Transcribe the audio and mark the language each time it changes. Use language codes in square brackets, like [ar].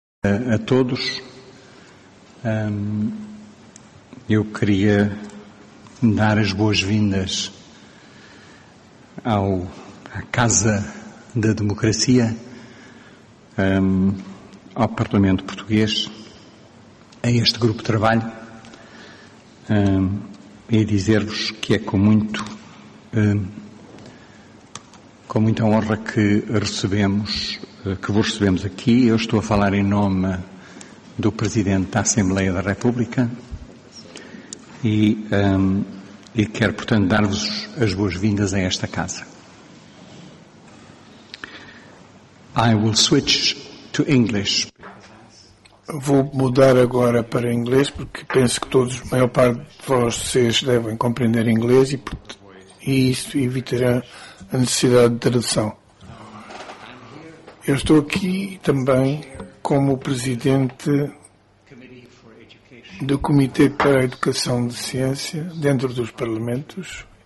[pt] A todos, eu queria dar as boas-vindas à Casa da Democracia, ao Parlamento Português, a este grupo de trabalho, e dizer-vos que é com muita honra que recebemos que vos recebemos aqui. Eu estou a falar em nome do Presidente da Assembleia da República e quero, portanto, dar-vos as boas-vindas a esta casa. [en] I will switch to English. [pt] Vou mudar agora para inglês porque penso que todos, a maior parte de vocês, devem compreender inglês e isso evitará a necessidade de tradução. Eu estou aqui também como presidente do Comitê para a Educação de Ciência dentro dos parlamentos,